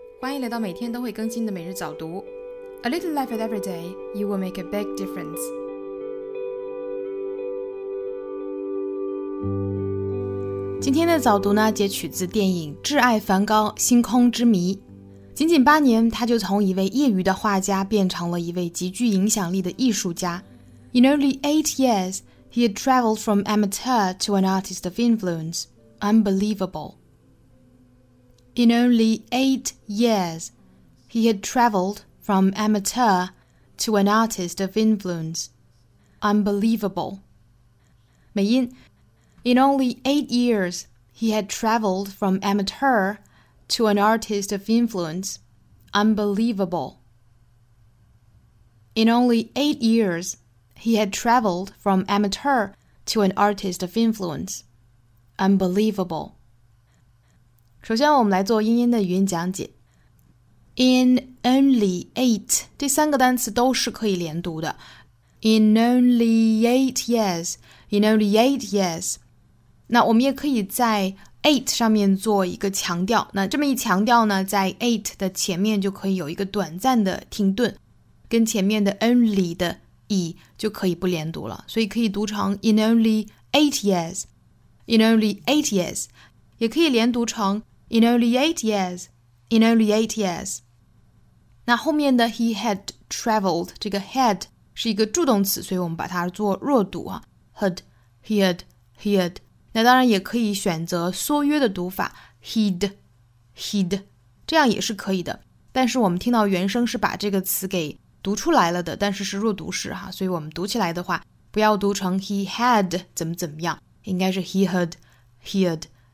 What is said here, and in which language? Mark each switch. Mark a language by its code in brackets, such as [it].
[zh] 欢迎来到每天都会更新的每日早读。 [en] A little life at every day, you will make a big difference. [zh] 今天的早读呢，截取自电影《挚爱梵高：星空之谜》。仅仅八年，他就从一位业余的画家变成了一位极具影响力的艺术家。 [en] In only 8 years, he had traveled from amateur to an artist of influence. Unbelievable. In only 8 years, he had traveled from amateur to an artist of influence. Unbelievable. 美音 In only 8 years, he had traveled from amateur to an artist of influence. Unbelievable. In only 8 years, he had traveled from amateur to an artist of influence. Unbelievable. [zh] 首先我们来做英音的语音讲解。 [en] In only eight, [zh] 这三个单词都是可以连读的。 [en] In only 8 years, in only 8 years. [zh] 那我们也可以在 eight 上面做一个强调。那这么一强调呢，在 eight 的前面就可以有一个短暂的停顿，跟前面的 only 的 e 就可以不连读了。所以可以读成 [en] in only 8 years, in only 8 years. [zh] 也可以连读成 [en] in only 8 years, [zh] in only 8 years. 那后面的 [en] he had traveled, [zh] 这个 had 是一个助动词，所以我们把它做弱读啊。 [en] Had, he had, he had. [zh] 那当然也可以选择缩约的读法 , [en] he'd, he'd, [zh] 这样也是可以的。但是我们听到原声是把这个词给读出来了的，但是是弱读式哈，所以我们读起来的话不要读成 he had 怎么怎么样，应该是 [en] he had, he had.